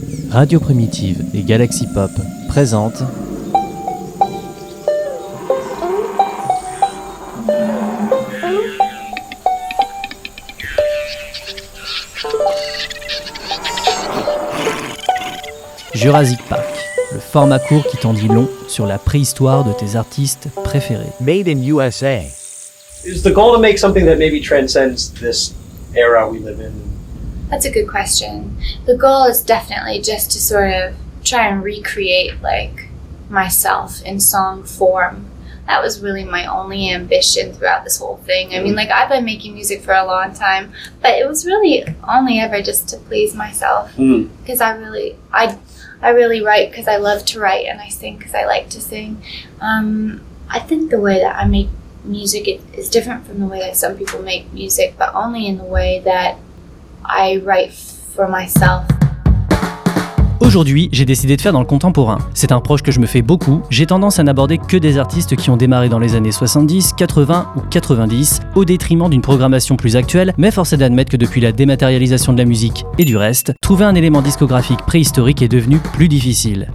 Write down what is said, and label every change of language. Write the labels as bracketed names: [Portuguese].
[French] Radio Primitive et Galaxy Pop présentent Jurassic Park, le format court qui t'en dit long sur la préhistoire de tes artistes préférés. [English] Made in USA. Is the goal to make something that maybe transcends this era we live in? That's a good question. The goal is definitely just to sort of try and recreate like myself in song form. That was really my only ambition throughout this whole thing. I mean, like, I've been making music for a long time, but it was really only ever just to please myself. Because I really write because I love to write, and I sing because I like to sing. I think the way that I make music is different from the way that some people make music, but only in the way that I write for myself. [French] Aujourd'hui, j'ai décidé de faire dans le contemporain. C'est un proche que je me fais beaucoup. J'ai tendance à n'aborder que des artistes qui ont démarré dans les années 70, 80 ou 90, au détriment d'une programmation plus actuelle, mais force est d'admettre que depuis la dématérialisation de la musique et du reste, trouver un élément discographique préhistorique est devenu plus difficile.